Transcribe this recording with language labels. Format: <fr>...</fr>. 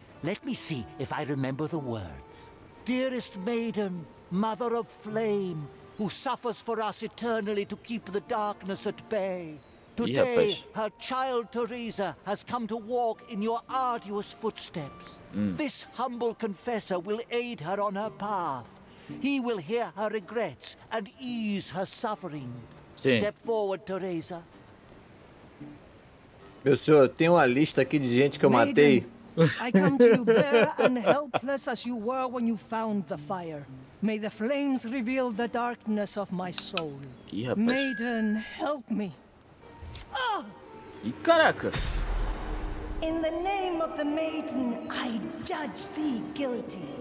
<en>Let me see if I remember the words. Dearest maiden, mother of flame, who suffers for us eternally to keep the darkness at bay. Today, her child Teresa has come to walk in your arduous footsteps. This humble confessor will aid her on her path. He will hear her regrets and ease her suffering.</en> <pt>Sim.</pt> <en>Step forward, Teresa.</en> <pt>Meu senhor, tem uma lista aqui de gente que eu matei.</pt> <en>Maiden, I come to you bare and helpless as you were when you found the fire. May the flames reveal the darkness of my soul. Maiden, help me.</en> <pt>Ih, caraca!</pt> <en>In the name of the maiden, I judge thee guilty.</en>